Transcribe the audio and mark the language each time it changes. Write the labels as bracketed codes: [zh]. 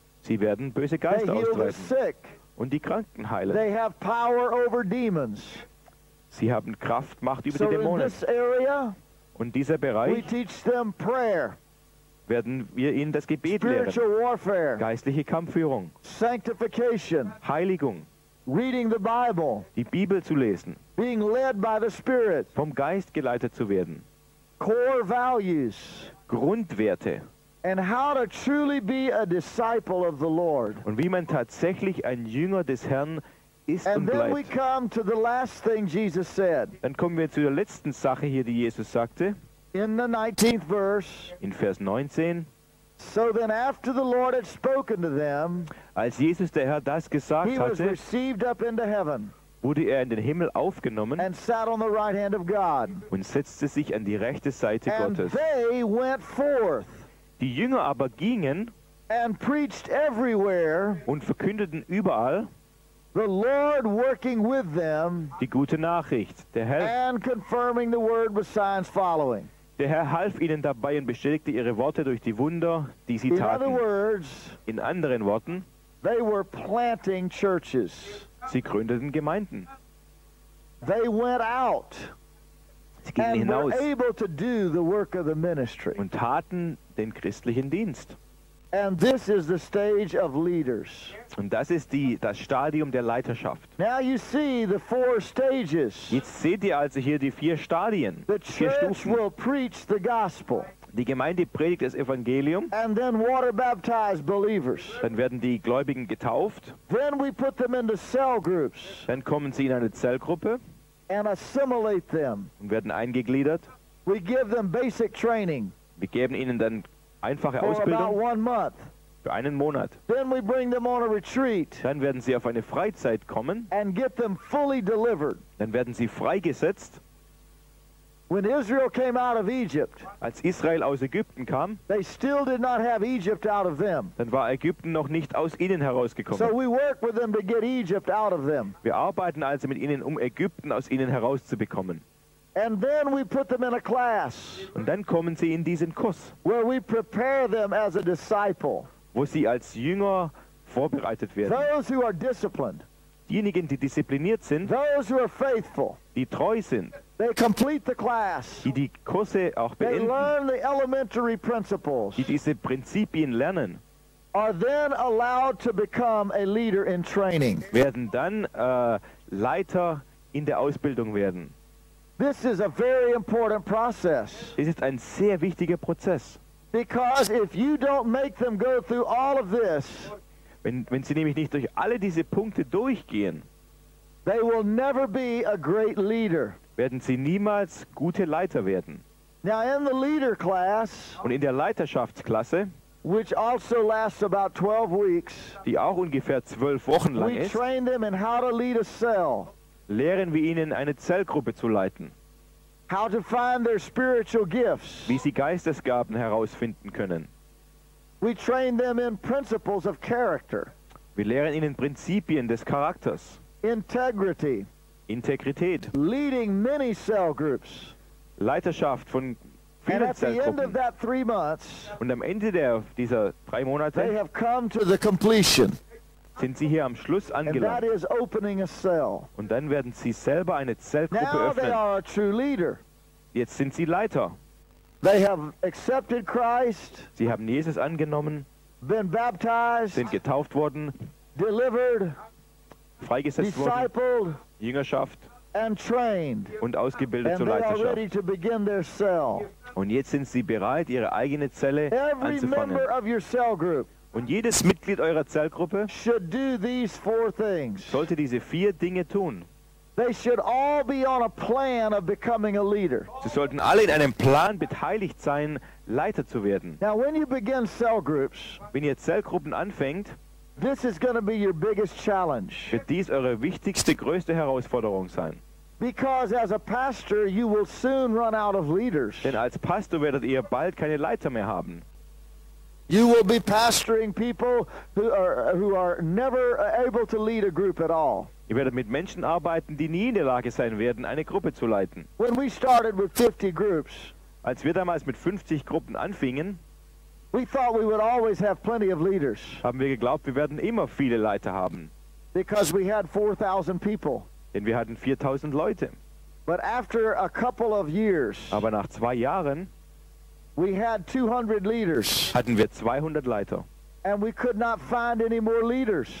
[de] Sie werden böse Geister austreiben. Und die Kranken heilen. [en] They have power over demons. [de] Sie haben Kraft, Macht über [en] so [de] die Dämonen. [en] In this area, [de] und dieser Bereich [en] we teach them prayer, [de] werden wir ihnen das Gebet [en] spiritual [de] lehren. [en] Warfare, [de] geistliche Kampfführung. [en] Sanctification, [de] Heiligung. [en] Reading the Bible, [de] die Bibel zu lesen. [en] Being led by the Spirit, [de] vom Geist geleitet zu werden. [en] Core values, [de] Grundwerte. [en] And how to truly be a disciple of the Lord. [de] Und wie man tatsächlich ein Jünger des Herrn ist [en] and [de] und bleibt. [en] Then we come to the last thing Jesus said. [de] Dann kommen wir zu der letzten Sache hier, die Jesus sagte. [en] In the 19th verse. [de] In Vers 19. [en] So then after the Lord had spoken to them, [de] als Jesus der Herr das gesagt [en] he [de] hatte, [en] was received up into heaven, [de] wurde er in den Himmel aufgenommen [en] and sat on the right hand of God. [de] Und setzte sich an die rechte Seite [en] and [de] Gottes. [en] They went forth. [de] Die Jünger aber gingen [en] and preached everywhere [de] und verkündeten überall [en] the Lord working with them [de] die gute Nachricht. Der Herr, [en] and confirming the word with signs following. [de] Der Herr half ihnen dabei und bestätigte ihre Worte durch die Wunder, die sie taten. [en] In other words, [de] in anderen Worten, [en] they were planting churches. [de] Sie gründeten Gemeinden. [en] They went out [de] sie gingen [en] and [de] hinaus [en] were able to do the work of the ministry. [de] Und taten den christlichen Dienst. [en] And this is the stage of leaders. [de] Und das ist das Stadium der Leiterschaft. [en] Now you see the four stages. [de] Jetzt seht ihr also hier die vier Stadien. [en] The [de] vier Stufen. [en] Church will preach the gospel. [de] Die Gemeinde predigt das Evangelium. [en] And then water baptized believers. [de] Dann werden die Gläubigen getauft. [en] Then we put them into cell groups. [de] Dann kommen sie in eine Zellgruppe. [en] And assimilate them. [de] Und werden eingegliedert. [en] We give them basic training. [de] Wir geben ihnen dann einfache Ausbildung für einen Monat. [en] Then we bring them on a retreat, [de] dann werden sie auf eine Freizeit kommen. [en] And get them fully delivered. [de] Dann werden sie freigesetzt. [en] When Israel came out of Egypt, [de] als Israel aus Ägypten kam, [en] they still did not have Egypt out of them. [de] Dann war Ägypten noch nicht aus ihnen herausgekommen. [en] So we work with them to get Egypt out of them. [de] Wir arbeiten also mit ihnen, um Ägypten aus ihnen herauszubekommen. [en] And then we put them in a class. [de] Und dann kommen sie in diesen Kurs. [en] Where we prepare them as a disciple. [de] Wo sie als Jünger vorbereitet werden. [en] Those who are disciplined. [de] Diejenigen, die diszipliniert sind. [en] Those who are faithful. [de] Die treu sind. [en] They complete the class. [de] Die Kurse auch beenden. [en] They learn the elementary principles. [de] Die diese Prinzipien lernen. [en] Are then allowed to become a leader in training. [de] Werden dann Leiter in der Ausbildung werden. [en] This is a very important process. [de] Es ist ein sehr wichtiger Prozess. [en] Because if you don't make them go through all of this, [de] wenn sie nämlich nicht durch alle diese Punkte durchgehen, [en] they will never be a great leader. [de] Werden sie niemals gute Leiter werden. [en] Now in the leader class, [de] und in der Leiterschaftsklasse, [en] which also lasts about 12 weeks, [de] die auch ungefähr 12 Wochen lang ist, [en] we train them in how to lead a cell, [de] lehren wir ihnen, eine Zellgruppe zu leiten, [en] how to find their spiritual gifts, [de] wie sie Geistesgaben herausfinden können. [en] We train them in principles of character, [de] wir lehren ihnen Prinzipien des Charakters, [en] integrity, [de] Integrität, [en] leading many cell groups, [de] Leiterschaft von vielen Zellgruppen. Und am Ende dieser drei Monate, [en] they have come to the completion, [de] sind sie hier am Schluss angelangt. [en] And that is opening a cell. [de] Und dann werden sie selber eine Zellgruppe [en] now [de] öffnen. [en] They are a true leader. [de] Jetzt sind sie Leiter. [en] They have accepted Christ, [de] sie haben Jesus angenommen, [en] been baptized, [de] sind getauft worden, [en] delivered, [de] freigesetzt [en] discipled, [de] worden, Jüngerschaft, [en] and trained, [de] und ausgebildet [en] and [de] zur Leiterschaft. [en] Ready to begin their cell. [de] Und jetzt sind sie bereit, ihre eigene Zelle [en] every [de] anzufangen. [en] Member of your cell group, [de] und jedes Mitglied eurer Zellgruppe [en] should do these four things, [de] sollte diese vier Dinge tun. [en] They should all be on a plan of becoming a leader. [de] Sie sollten alle in einem Plan beteiligt sein, Leiter zu werden. [en] Now, when you begin cell groups, [de] wenn ihr Zellgruppen anfängt, [en] this is going to be your biggest challenge. [de] Wird dies eure wichtigste, größte Herausforderung sein. [en] Because as a pastor, you will soon run out of leaders. [de] Denn als Pastor werdet ihr bald keine Leiter mehr haben. [en] You will be pastoring people who are never able to lead a group at all. [de] Ihr werdet mit Menschen arbeiten, die nie in der Lage sein werden, eine Gruppe zu leiten. [en] When we started with 50 groups, [de] als wir damals mit 50 Gruppen anfingen, [en] we thought we would always have plenty of leaders. [de] Haben wir geglaubt, wir werden immer viele Leiter haben. [en] Because we had 4,000 people. [de] Denn wir hatten 4,000 Leute. [en] But after a couple of years, [de] aber nach 2 Jahren, [en] we had 200 leaders. [de] Hatten wir 200 Leiter. [en] And we could not find any more leaders.